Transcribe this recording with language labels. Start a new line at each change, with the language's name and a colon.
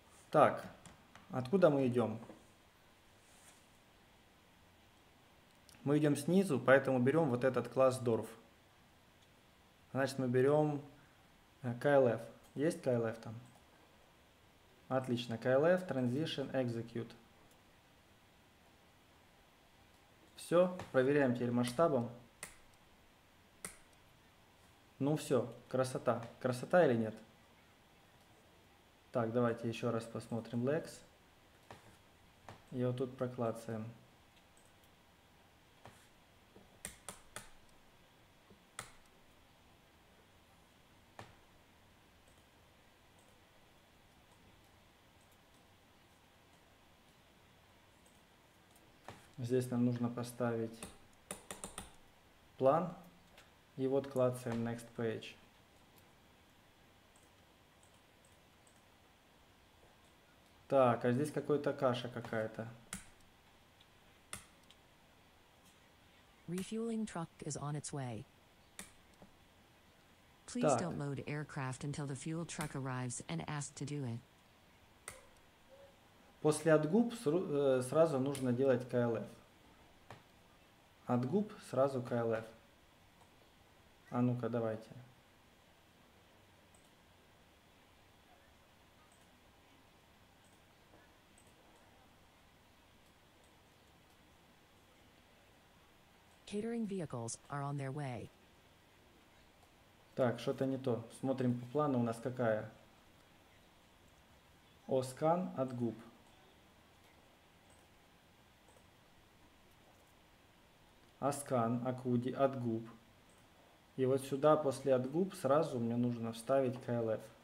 Russian: Так, откуда мы идем? Мы идем снизу, поэтому берем вот этот класс DORF. Значит, мы берем KLF. Есть KLF там? Отлично. KLF, Transition, Execute. Все. Проверяем теперь масштабом. Ну все. Красота. Красота или нет? Так, давайте еще раз посмотрим LEX. И вот тут проклацаем. Здесь нам нужно поставить план и вот клацаем next page. Так, а здесь какой-то каша какая-то.
English: Refueling truck is on its way. Please don't load aircraft until the fuel truck arrives and asked to do it.
Russian: После отгуб сразу нужно делать KLF. От губ сразу KLF. А ну-ка, давайте.
English: Catering vehicles are on their way.
Russian: Так, что-то не то. Смотрим по плану, у нас какая? Оскан от губ. Аскан, Акуди, Отгуб. И вот сюда после Отгуб сразу мне нужно вставить КЛФ.